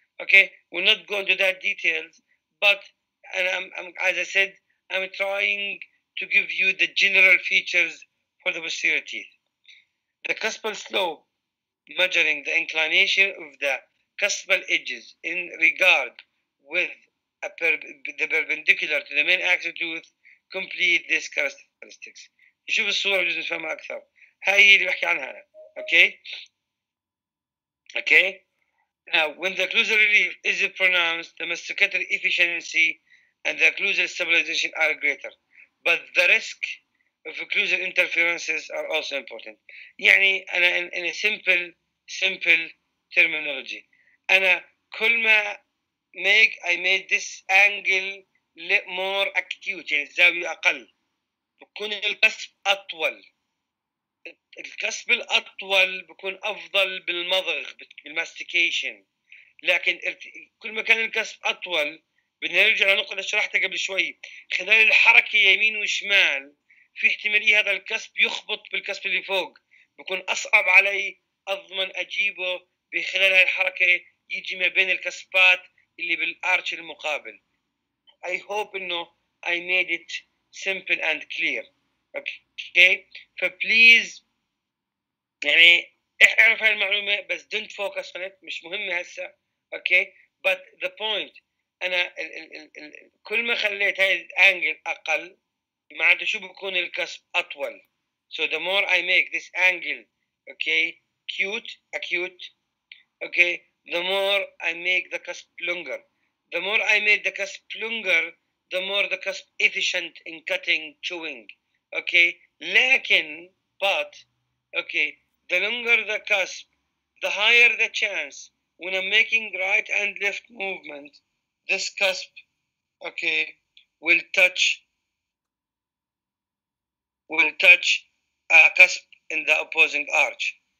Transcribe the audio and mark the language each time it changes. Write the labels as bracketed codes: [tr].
[en] Okay, we'll not go into that details, but and I'm as I said, I'm trying to give you the general features for the posterior teeth. The cuspal slope, measuring the inclination of the cuspal edges in regard with a the perpendicular to the main axis of the tooth, complete this characteristics. [ar] شوف الصورة بجوز نفهمها أكثر. هاي هي اللي بحكي عنها أنا. Okay. Okay. [en] Now, when the occlusal relief is pronounced, the masticatory efficiency and the occlusal stabilization are greater, but the risk of occlusal interferences are also important. [ar] يعني أنا [en] in a simple terminology. [ar] أنا كل ما [en] I made this angle more acute, [ar] يعني الزاوية أقل, بكون الكسب أطول. الكسب الأطول بكون أفضل بالمضغ, بالماستيكيشن. لكن كل ما كان الكسب أطول, بدنا نرجع لنقطة شرحتها قبل شوي, خلال الحركة يمين وشمال في احتمالية هذا الكسب يخبط بالكسب اللي فوق, بكون أصعب علي أضمن أجيبه بخلال هالحركة يجي ما بين الكسبات اللي بالأرش المقابل. [en] I hope إنه I made it simple and clear. [ar] Okay, فplease يعني اعرف هالمعلومة بس [en] don't focus on it, [ar] مش مهمة هسا. [en] Okay, but the point, [ar] أنا كل ما خليت هاي الأنجل أقل, معناته شو بكون الكسب أطول. [en] So the more I make this angle, okay, acute, okay, the more I make the cusp longer. The more I made the cusp longer, the more the cusp efficient in cutting, chewing, okay. Lakin, but, okay, the longer the cusp, the higher the chance when I'm making right and left movement, this cusp, okay, will touch a cusp in the opposing arch.